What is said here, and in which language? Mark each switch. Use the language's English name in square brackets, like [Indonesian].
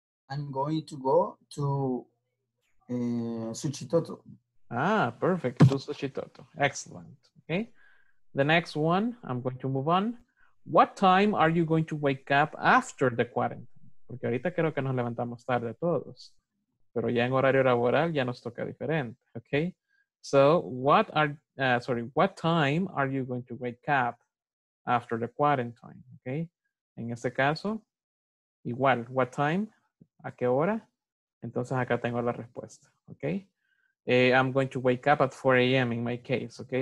[English] I'm going to go to Suchitoto. Ah, perfect. To Suchitoto. Excellent. Okay. The next one, I'm going to move on. What time are you going to wake up after the quarantine? [Spanish] Porque ahorita creo que nos levantamos tarde todos. Pero ya en horario laboral ya nos toca diferente. Okay. [English] So, what time are you going to wake up after the quarantine? [Spanish] Okay. En este caso, igual. [English] What time? [Spanish] ¿A qué hora? Entonces acá tengo la respuesta. [English] Okay. I'm going to wake up at 4 a.m. in my case. Okay.